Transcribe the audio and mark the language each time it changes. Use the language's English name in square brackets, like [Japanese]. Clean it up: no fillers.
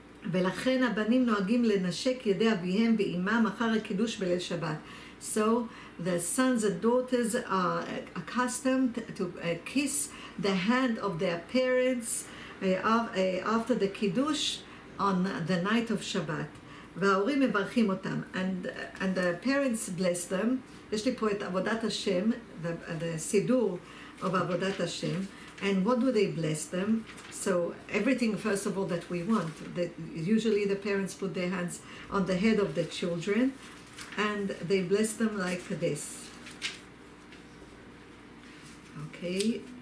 [Hebrew] ולכן הבנים נוהגים לנשק ידי אביהם ואימם אחר הקידוש בליל שבת. [English] So the sons and daughters are accustomed to kiss the hand of their parents after the kiddush on the night of Shabbat. [Hebrew] וההורים מברכים אותם, [English] and the parents bless them. [Hebrew] יש לי פה את עבודת השם, the סידור of עבודת השם. [English] And what do they bless them? So everything, first of all, that we want. That usually the parents put their hands on the head of the children, and they bless them like this. Okay.